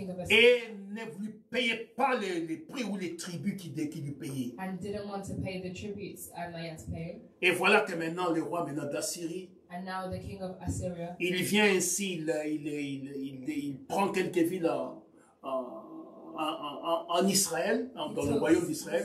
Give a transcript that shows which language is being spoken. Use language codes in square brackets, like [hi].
[fr] Et ne lui payait pas les prix ou les tributs qui lui payaient. [en] And didn't want to pay the tributes and they had to pay. [fr] Et voilà que maintenant le roi maintenant d'Assyrie. [en] And now the king of Assyria. [fr] Il vient ainsi, il prend quelques villes en Israël, dans le royaume d'Israël.